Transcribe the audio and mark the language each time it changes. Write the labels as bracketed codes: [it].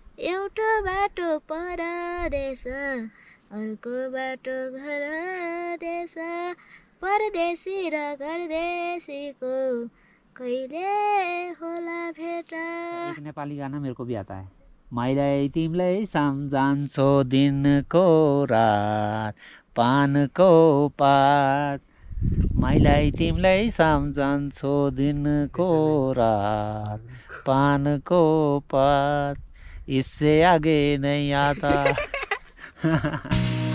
[ne] एउटो बाटो परदेश, अर्को बाटो घर देश, परदेशी र घरदेशीको कहिले होला भेट। [hi] एक नेपाली गाना मेरे को भी आता है। [ne] माइलाई तिमीलाई सम्झन्छु दिनको रात पानको पात, माइलाई तिमीलाई सम्झन्छु दिनको रात पानको पात, [hi] इससे आगे नहीं आता।